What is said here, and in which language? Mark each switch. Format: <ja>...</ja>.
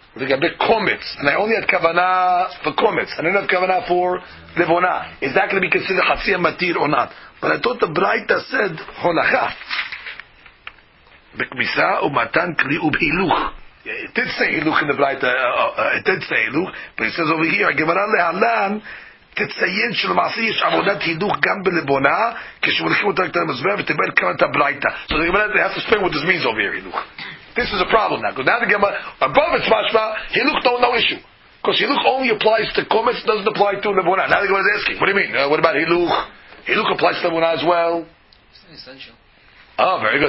<en>We got big comments, and I only had kavanah for comments. I didn't have kavanah for levona. Is that going to be considered chatsi matir or not? But I thought the braita said</en> <he>holacha bekmisa umatan kli ubhiluch.</he> <en>Yeah, it did say hiluch in the braita. It did say hiluch, but it says over here gemara lehalan.</en> <he>תציין של מעשי יש עבודת הידוך גם בלבונה כשמולכים אותה לקטן המזבר ותבל כאן את הברייטה.</he> <en>So the Gemara, they have to explain what this means over here, הילוך. This is a problem now, because now the Gemara, above its משמע, הילוך no issue. Because הילוך only applies to comets, doesn't apply to לבונה. Now the Gemara is asking, what do you mean? What about הילוך? הילוך applies to לבונה as well. It's essential. Oh, very good.</en>